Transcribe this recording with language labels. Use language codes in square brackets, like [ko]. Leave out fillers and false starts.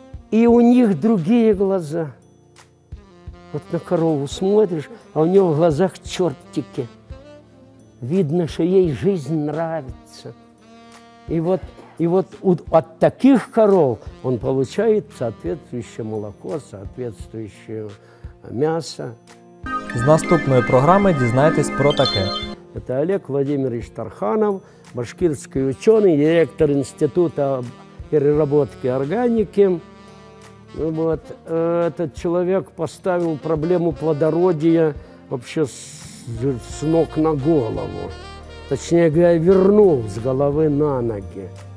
[ru] И у них другие глаза. Вот на корову смотришь, а у нее в глазах чертики. Видно, что ей жизнь нравится. И вот от таких коров он получает соответствующее молоко, соответствующее мясо. [uk] С наступной программы дізнайтесь про таке. [ru] Это Олег Владимирович Тарханов, башкирский ученый, директор Института переработки органики. Вот, этот человек поставил проблему плодородия вообще с ног на голову, точнее говоря, вернул с головы на ноги.